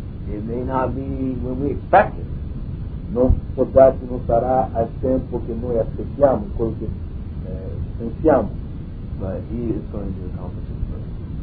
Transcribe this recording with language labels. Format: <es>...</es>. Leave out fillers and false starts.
<en>It may not be when we expect it.</en> <it>Non può darsi, non sarà al tempo che noi aspettiamo, quello che pensiamo.</it> <en>but he is going to accomplish his purpose.</en>